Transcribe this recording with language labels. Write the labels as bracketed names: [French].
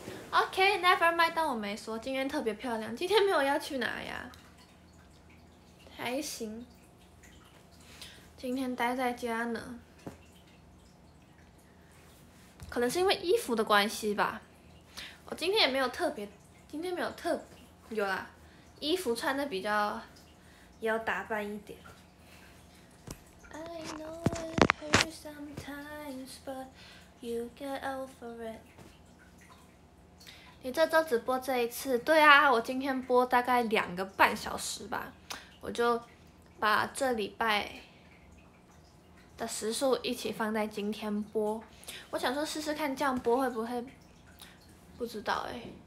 [English] OK, never mind, [Chinese] 当我没说，今天特别漂亮，今天没有要去哪呀，还行，今天待在家呢，可能是因为衣服的关系吧，我今天也没有特别，今天没有特别，有啦，衣服穿的比较要打扮一点。 [English] I know it hurts sometimes, but you get over it. [Chinese] 你这周只播这一次？对啊，我今天播大概两个半小时吧，我就把这礼拜的时数一起放在今天播。我想说试试看这样播会不会，不知道哎。